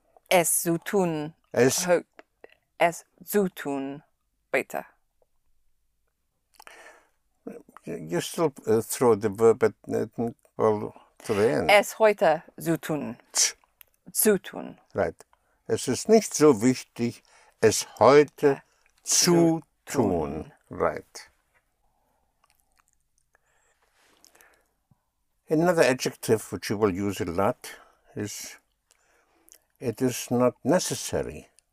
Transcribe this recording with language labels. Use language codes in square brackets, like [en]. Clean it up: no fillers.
[de] Es zu tun. Es zu tun. Bitte. [en] You still throw the verb at well, to the end. [de] Es heute zu tun. Zu tun. [en] Right. [de] Es ist nicht so wichtig, es heute zu tun. [en] Right. Another adjective which you will use a lot is it is not necessary.